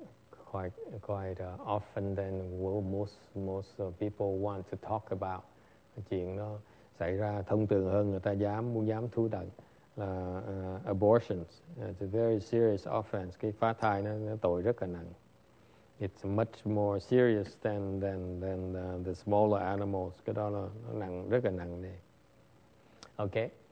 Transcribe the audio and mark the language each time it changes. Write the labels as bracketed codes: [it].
[en] This is quite often than well, most people want to talk about. [vi] Chuyện nó xảy ra thông thường hơn người ta dám thú nhận là abortions. [en] It's a very serious offense. [vi] Cái phá thai nó tội rất là nặng. [en] It's much more serious than the smaller animals. [vi] Cái đó là nó nặng rất là nặng đi. Okay.